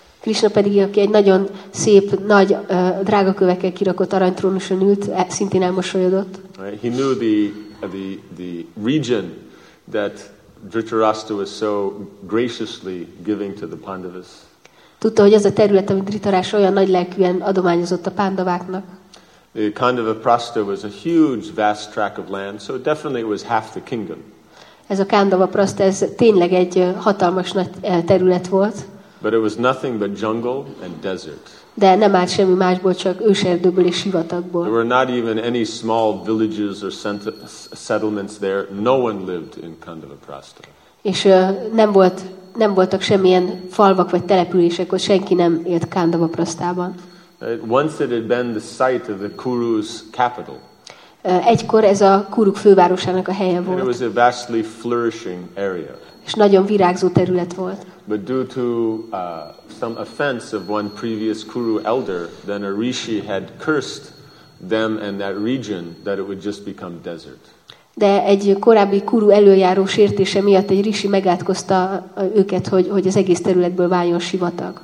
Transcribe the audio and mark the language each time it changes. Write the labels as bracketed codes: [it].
[hu] Krishna pedig, aki egy nagyon szép, nagy drágakövekkel kirakott aranytrónuson ült, szintén elmosolyodott. [en] He knew the region that Dhritarashtra was so graciously giving to the Pandavas. [hu] Tudta, hogy az a terület, amit Dhritarashtra olyan nagy lelkűen adományozott a Pándaváknak. [en] The Kandava Prastha was a huge, vast tract of land, so definitely it was half the kingdom. [hu] Ez a Kandava Prastha, ez tényleg egy hatalmas nagy terület volt. [en] But it was nothing but jungle and desert. [hu] De nem állt semmi másból, csak őserdőből és sivatagból. [en] There were not even any small villages or settlements there. No one lived in Kandava Prastha. [hu] És nem voltak semmilyen falvak vagy települések, ott senki nem élt Kandava Prasthában. [en] Once it had been the site of the Kuru's capital. [hu] Egykor ez a Kuruk fővárosának a helye volt. [en] It was a vastly flourishing area. [hu] És nagyon virágzó terület volt. [en] But due to some offense of one previous Kuru elder, then a rishi had cursed them and that region that it would just become desert. [hu] De egy korábbi Kuru előjáró sértése miatt egy rishi megátkozta őket, hogy az egész területből váljon sivatag.